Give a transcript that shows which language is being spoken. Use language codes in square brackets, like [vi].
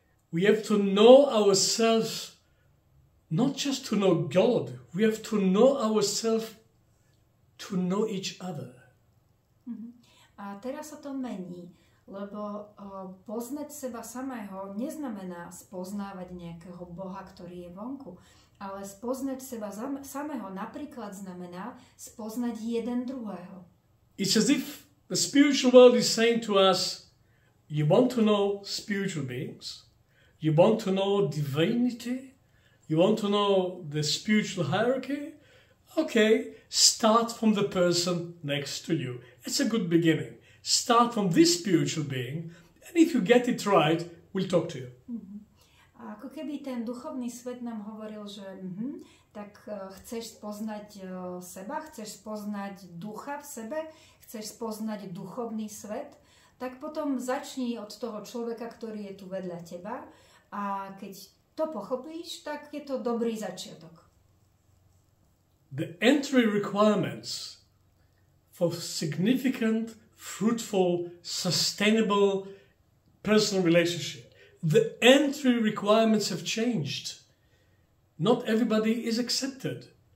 [en] We have to know ourselves, not just to know God, we have to know ourselves to know each other. [sk] A teraz sa to mení, lebo poznať seba samého neznamená spoznávať nejakého Boha, ktorý je vonku, ale spoznať seba samého napríklad znamená spoznať jeden druhého. [en] It's as if the spiritual world is saying to us, you want to know spiritual beings, you want to know divinity, you want to know the spiritual hierarchy, okay, start from the person next to you. It's a good beginning. Start from this spiritual being, and if you get it right, we'll talk to you. [sk] A ako keby ten duchovný svet nám hovoril, že tak chceš poznať seba, chceš poznať ducha v sebe, chceš poznať duchovný svet, tak potom začni od toho človeka, ktorý je tu vedľa teba, a keď to pochopíš, tak je to dobrý začiatok. [en] The entry requirements for significant, fruitful, sustainable personal relationship. The entry requirements have changed. Not everybody is accepted.